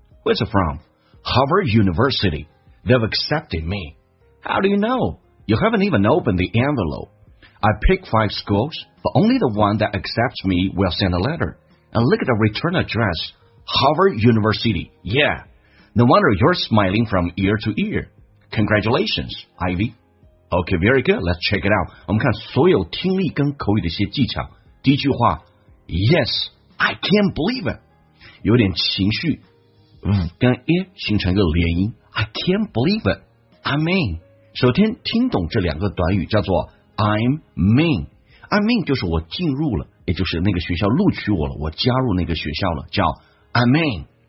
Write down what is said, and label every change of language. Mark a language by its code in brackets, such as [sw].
[en] Where's it from? Harvard University. They've accepted me. How do you know? You haven't even opened the envelope. I picked 5 schools, but only the one that accepts me will send a letter. And look at the return address, Harvard University. Yeah, no wonder you're smiling from ear to ear. Congratulations, Ivy. Okay, very good. Let's check it out. [zh] 我们看所有听力跟口语的一些技巧。第一句话 [en] ，Yes, I can't believe it. [zh] 有点情绪，跟 e 形成一个连音。 [en] I can't believe it. I mean. [zh] 首先听懂这两个短语叫做 [en] I'm mean. I mean [zh] 就是我进入了。也就是那个学校录取我了，我加入那个学校了，叫 [en] I'm in.